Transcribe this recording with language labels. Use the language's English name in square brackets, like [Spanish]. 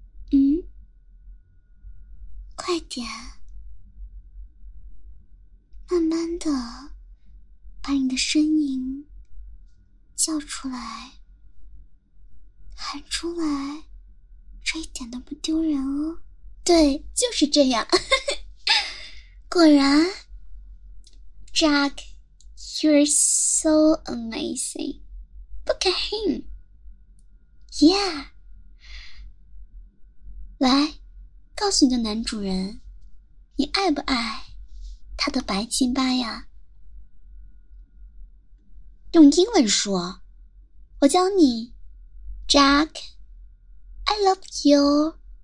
[Chinese] 嗯，快点，慢慢的把你的声音叫出来，喊出来，这一点都不丢人哦。对，就是这样。果然， [English] Jack, you're so amazing. Look at him. [Chinese] Yeah，来，告诉你的男主人，你爱不爱他的白亲吧呀？用英文说，我教你，Jack， [English] I love you。